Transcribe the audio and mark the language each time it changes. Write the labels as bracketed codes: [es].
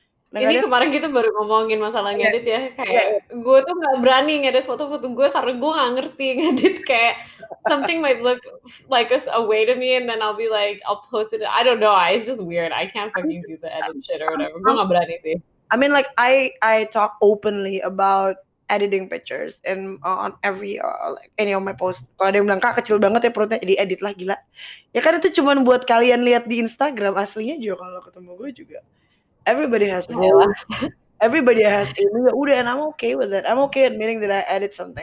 [id] Nah, ini kemarin kita baru ngomongin masalah ngedit ya, kayak gue tuh nggak berani ngedit foto-foto gue karena gue nggak ngerti ngedit, [en] kayak something might look like a way to me and then I'll be like, I'll post it, I don't know, it's just weird, I can't fucking do the edit shit or whatever. [id] Gue nggak berani sih. [en] I mean, like, I talk openly about editing pictures and on every like any of my posts. [id] Kalau ada yang bilang, Kak, kecil banget ya perutnya, jadi edit lah, gila. Ya kan itu cuma buat kalian lihat di Instagram, aslinya juga kalau ketemu gue juga. [en] Everybody has rules. Everybody has ini. [id] Udah, [en] and I'm okay with it. I'm okay admitting that I edit something.